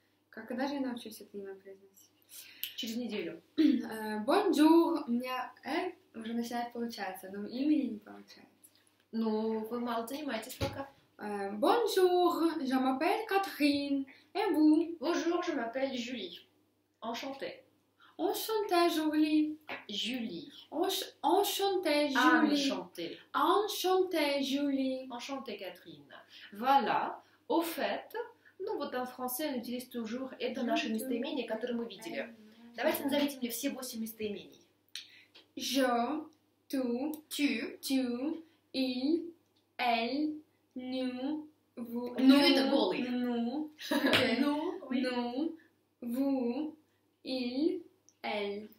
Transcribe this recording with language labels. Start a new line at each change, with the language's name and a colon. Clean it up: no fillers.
Russian: Когда же я научусь это имя произносить? Через неделю. Bonjour, у меня уже начинает получаться, но имени не получается. Ну, вы мало занимаетесь пока.
French: Bonjour, je m'appelle Catherine. Et vous? Bonjour, je m'appelle Julie. Enchantée. Enchantée, Julie. Enchantée, Catherine. Voilà. Au fait,
Russian: ну вот
French: en français, on utilise toujours
Russian: это наше местоимение, которое мы видели. Давайте назовите мне все 8 местоимений.
French: Je, tu, tu, tu. Il, elle, nous, vous, il, elle.